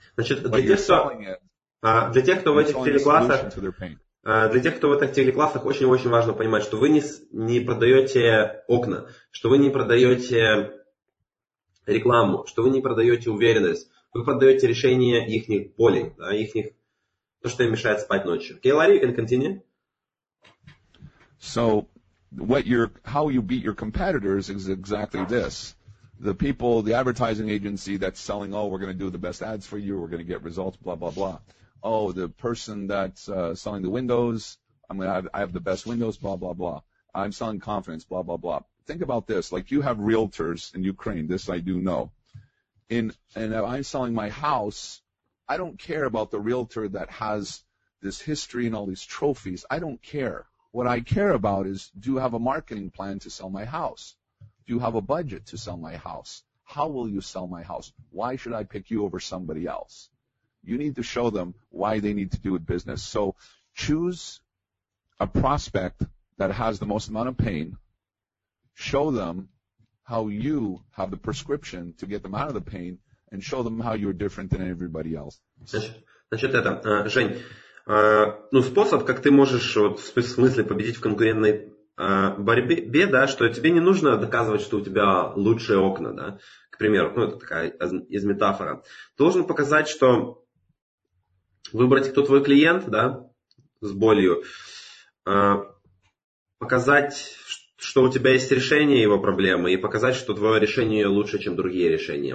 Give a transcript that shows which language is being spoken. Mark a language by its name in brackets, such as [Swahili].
[Russian] Значит, для тех, кто в этих телеклассах, для тех, кто в этих телеклассах, очень-очень важно понимать, что вы не продаете окна, что вы не продаете рекламу, что вы не продаете уверенность. Вы продаете решение ихних болей, да, ихних. То, что им мешает спать ночью. [English] Okay, Larry, you can continue. So, how you beat your competitors is exactly this. The people, the advertising agency that's selling, oh, we're going to do the best ads for you, we're going to get results, blah, blah, blah. Oh, the person that's selling the windows, I have the best windows, blah, blah, blah. I'm selling confidence, blah, blah, blah. Think about this. Like, you have realtors in Ukraine. This I do know. and I'm selling my house, I don't care about the realtor that has this history and all these trophies. I don't care. What I care about is, do you have a marketing plan to sell my house? Do you have a budget to sell my house? How will you sell my house? Why should I pick you over somebody else? You need to show them why they need to do with business. So choose a prospect that has the most amount of pain. Show them how you have the prescription to get them out of the pain, and show them how you're different than everybody else. [Russian] Значит, это, Жень, ну, способ, как ты можешь вот, в смысле победить в конкурентной борьбе, да, что тебе не нужно доказывать, что у тебя лучшие окна, да, к примеру, ну, это такая из метафора. Ты должен показать, что выбрать, кто твой клиент, да, с болью, показать, что у тебя есть решение его проблемы, и показать, что твое решение лучше, чем другие решения.